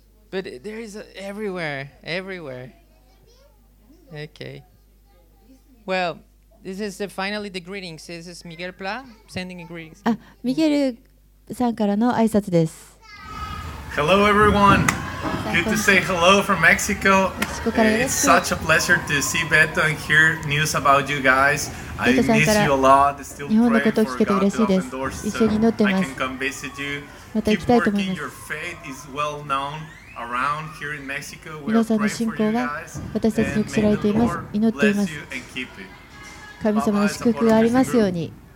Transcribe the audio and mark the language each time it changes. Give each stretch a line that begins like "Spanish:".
English: But there is everywhere. Okay. Well, this is finally the greetings. This is Miguel Pla sending a greetings.
Japanese: あ、ミゲルさんからの挨拶です。
English: Hello, everyone. Good to say hello from Mexico. It's such a pleasure to see Beto and hear news about you guys. I miss you a lot. Still praying for God to open doors so I can come visit you. Keep working. Your faith is well known around here in Mexico. We are praying for you guys. And may the Lord bless you and keep it.
Japanese: 神様の祝福がありますように。